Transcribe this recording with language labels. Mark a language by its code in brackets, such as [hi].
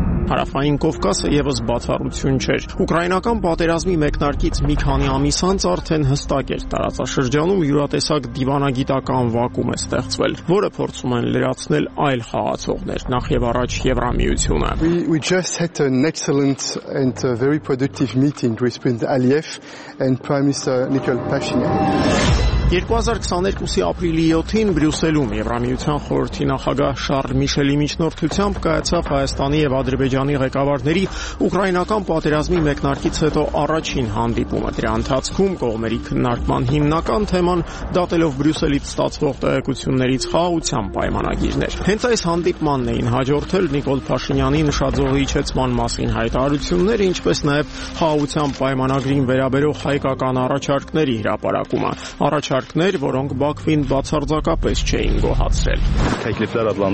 [hy] Հարավային Կովկասը եւս բացառություն չէր։ Ուկրաինական պատերազմի մեկնարկից մի քանի ամիս անց արդեն հստակ էր՝ տարածաշրջանում յուրատեսակ դիվանագիտական վակում է ստեղծվել, որը փորձում են լրացնել այլ խաղացողներ, նախ եւ առաջ Եվրամիությունը։ [en] We just had an excellent and very productive meeting with President Aliyev and Prime Minister Nikol Pashinyan. [hy] 2022-ի ապրիլի 7-ին Բրյուսելում Եվրամիության խորհրդի նախագահ Շարլ Միշելի միջնորդությամբ կայացավ Հայաստանի և Ադրբեջանի ղեկավարների ուկրաինական պատերազմի մեկնարկից հետո առաջին հանդիպումը։ Դրա ընթացքում կողմերի քննարկման հիմնական թեման դատելով Բրյուսելից ստացվող տեղեկություններից խաղաղության պայմանագիրներ։ Հենց այս հանդիպմանն էին հաջորդել Նիկոլ Փաշինյանի նշաձողի իջեցման մասին հայտարարությունները, ինչպես նաև խաղաղության պայմանագրին վերաբերող հայկական առաջարկների հրապարակումը, առաջարկներ, որոնք Բաքվին բացարձակապես չէին գոհացրել։